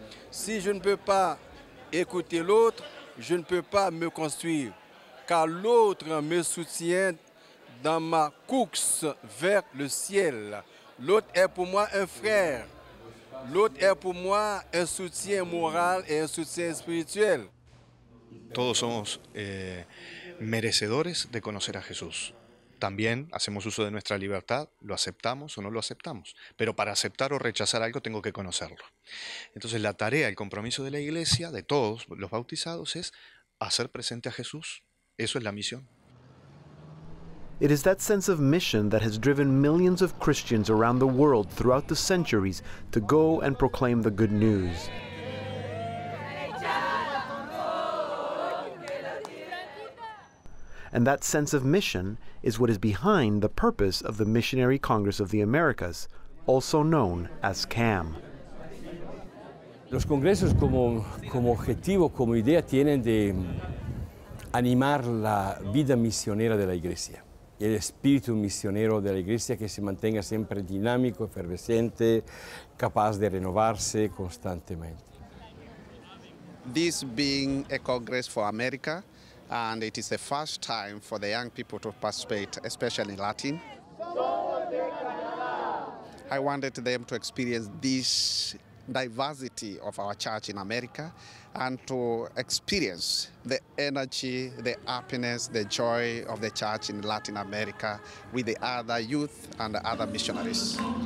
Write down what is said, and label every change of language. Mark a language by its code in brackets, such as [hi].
[fr] Si je ne peux pas écouter l'autre, je ne peux pas me construire, car l'autre me soutient dans ma course vers le ciel. L'autre est pour moi un frère. L'autre est pour moi un soutien moral et un soutien spirituel. [es] Todos somos merecedores de conocer a Jesús. También hacemos uso de nuestra libertad, lo aceptamos o no lo aceptamos. Pero para aceptar o rechazar algo tengo que conocerlo. Entonces la tarea, el compromiso de la Iglesia, de todos los bautizados, es hacer presente a Jesús. Eso es la misión. [en] It is that sense of mission that has driven millions of Christians around the world throughout the centuries to go and proclaim the good news. And that sense of mission is what is behind the purpose of the Missionary Congress of the Americas, also known as CAM. [es] Los congresos como objetivo, como idea, tienen de animar la vida misionera de la Iglesia, el espíritu misionero de la Iglesia que se mantenga siempre dinámico, efervescente, capaz de renovarse constantemente. [en] This being a Congress for America, and it is the first time for the young people to participate, especially in Latin. I wanted them to experience this diversity of our church in America and to experience the energy, the happiness, the joy of the church in Latin America with the other youth and the other missionaries.